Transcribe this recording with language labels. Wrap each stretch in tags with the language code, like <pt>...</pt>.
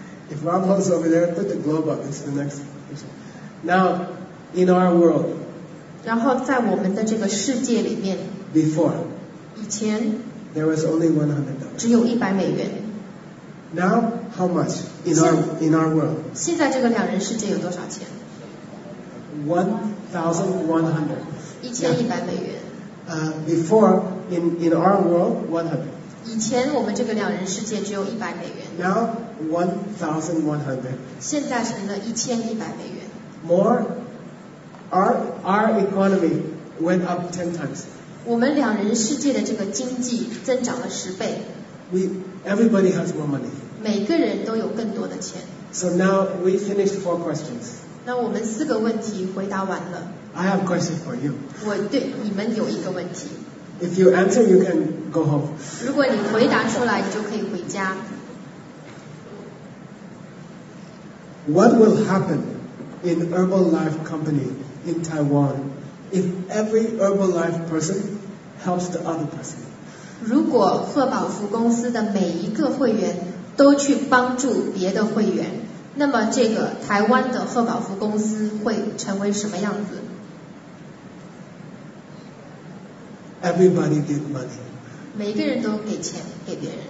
<en>If Ram holds over there, put the globe up. It's the next question. Now, in our world.</en> <zh>然后在我们的这个世界里面。</zh> <en>Before.</en> <zh>以前。</zh> <en>There was only $100.</en> <zh>只有$100。</zh> <en>Now, how much in our world?</en> <zh>现在这个两人世界有多少钱？</zh> <en>$1,100.</en> <zh>1,100美元。</zh> <en>Before, in our world, 100.</en> <zh>以前我们这个两人世界只有$100。</zh> <en>Now, 1,100.</en> <zh>现在成了1,100美元。</zh> <en>More, our economy went up 10 times.</en> <zh>我们两人世界的这个经济增长了10倍。</zh> <en>Everybody has more money.</en> <zh>每个人都有更多的钱。</zh> <en>So now we finished 4 questions.</en> <zh>那我们四个问题回答完了。</zh> <en>I have a question for you.</en> <zh>我对你们有一个问题。</zh> <en>If you answer, you can go home.</en> <zh>如果你回答出来，你就可以回家。</zh> <en>What will happen in Herbalife company in Taiwan if every Herbalife person helps the other person?</en> <zh>如果赫宝福公司的每一个会员都去帮助别的会员，那么这个台湾的赫宝福公司会成为什么样子？</zh> <en>Everybody give money.</en> <zh>每一个人都给钱给别人。</zh>